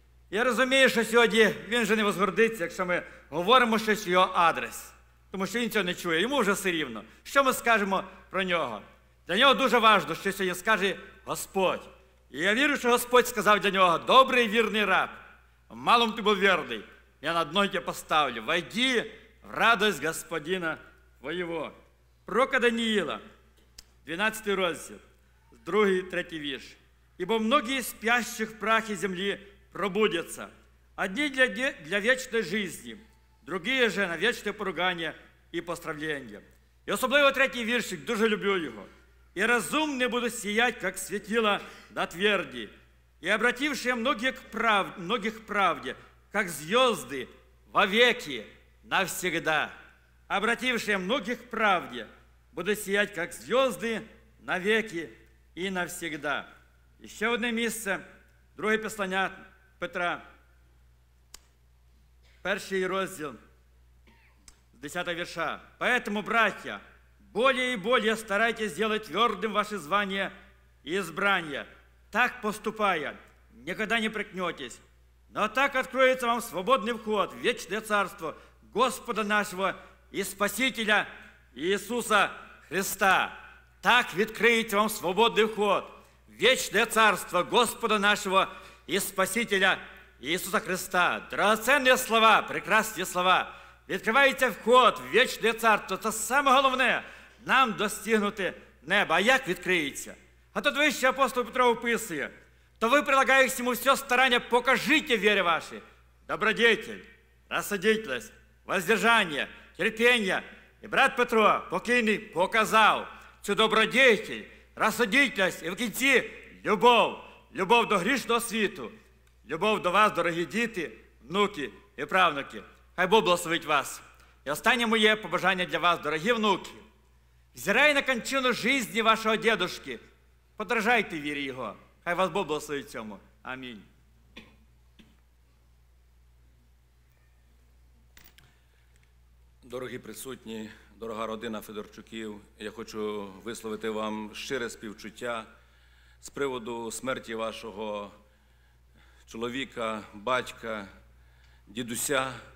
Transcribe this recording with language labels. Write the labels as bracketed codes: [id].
[uk] Я розумію, що сьогодні він вже не возгордиться, якщо ми говоримо щось в його адрес. Тому що він цього не чує, йому вже все рівно. Що ми скажемо про нього? Для нього дуже важливо, що сьогодні скаже Господь. І я вірю, що Господь сказав для нього: «Добрий, вірний раб, в малому ти був вірний, я на дно тебе поставлю. [ru] Войди в радость господина твоего». [uk] Пророка Даниила, 12 розділ, 2-3 вірш. «Ібо многі з спящих в прахі землі пробудяться, одні для вічної житті, другі же на вічне поругання і постравлення». І особливо третій віршик, дуже люблю його. «І розумні будуть сіять, як світіла на тверді, і обративши многих правді, як зйозди вовеки навсегда». Обративши многих правді, буде сіять, як зйозди навеки і навсегда. І ще одне місце, друге послання Петра, перший розділ, 10 вірша. [ru] «Поэтому, браття, более и более старайтесь сделать твердым ваше звание и избрание, так поступая, никогда не прикнетесь. Но так откроется вам свободный вход в вечное царство Господа нашего и Спасителя Иисуса Христа. Так откроется вам свободный вход в вечное царство Господа нашего и Спасителя Иисуса Христа». Драгоценные слова, прекрасные слова. [uk] Відкривається вход в вічне царство. Це саме головне – нам достигнути неба. А як відкриється? А тут вищий апостол Петро описує: «То ви, прилагаючись йому все старання, покажіть вірі ваші, добродетель, розсудительність, воздержання, терпіння». І брат Петро, покійний, показав цю добродетель, розсудительність і в кінці – любов. Любов до грішного світу, любов до вас, дорогі діти, внуки і правнуки. Хай Бог благословить вас. І останнє моє побажання для вас, дорогі внуки. [ru] Взирай на кончину жизни вашого дедушки. [uk] Подражайте вірі його. Хай вас Бог благословить цьому. Амінь. Дорогі присутні, дорога родина Федорчуків, я хочу висловити вам щире співчуття з приводу смерті вашого чоловіка, батька, дідуся.